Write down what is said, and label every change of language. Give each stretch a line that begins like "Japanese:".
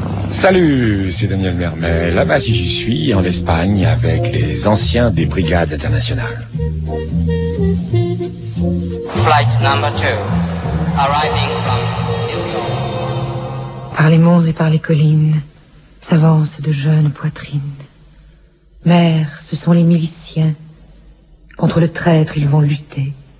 French: Salut, c'est Daniel Mermet. Là-bas, j'y suis, en Espagne, avec les anciens des brigades internationales.
English: Flight number 2, arriving from New York.
French: Par les monts et par les collines, s'avancent de jeunes poitrines. Mères, ce sont les miliciens. Contre le traître, ils vont lutter.